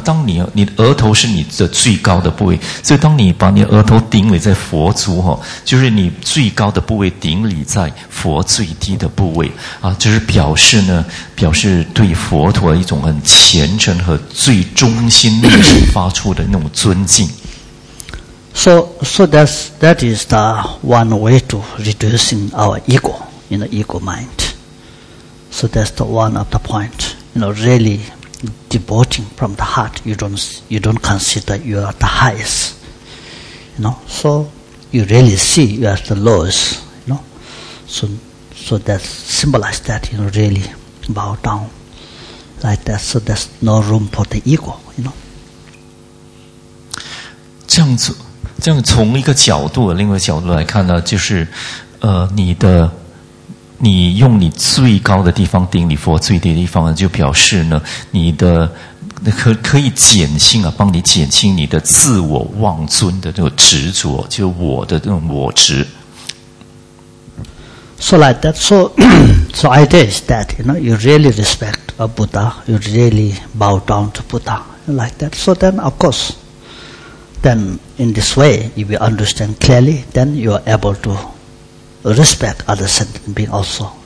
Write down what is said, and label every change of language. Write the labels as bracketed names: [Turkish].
[Chinese] 当你额头是你的最高的部位，所以当你把你额头顶礼在佛足哈，就是你最高的部位顶礼在佛最低的部位啊，就是表示呢，表示对佛陀一种很虔诚和最忠心的发出的那种尊敬。 [English] So that is the one way to reducing our ego in the ego mind. So that's the one of the point. You know, really devoting from the heart. You don't consider you are the highest. You know, so you really see you are the lowest. You know, so that symbolizes that, you know, really bow down like that. So there's no room for the ego. You know, [Chinese] 这样子。这样从一个角度，另外一个角度来看呢，就是，你用你最高的地方顶礼佛，最低的地方就表示呢，你的可以减轻啊，帮你减轻你的自我妄尊的这种执着，就是我的这种我执。 [English] So like that, so idea is that you know you really respect a Buddha, you really bow down to Buddha like that. So then, of course. Then in this way, if you understand clearly, then you are able to respect other sentient beings also.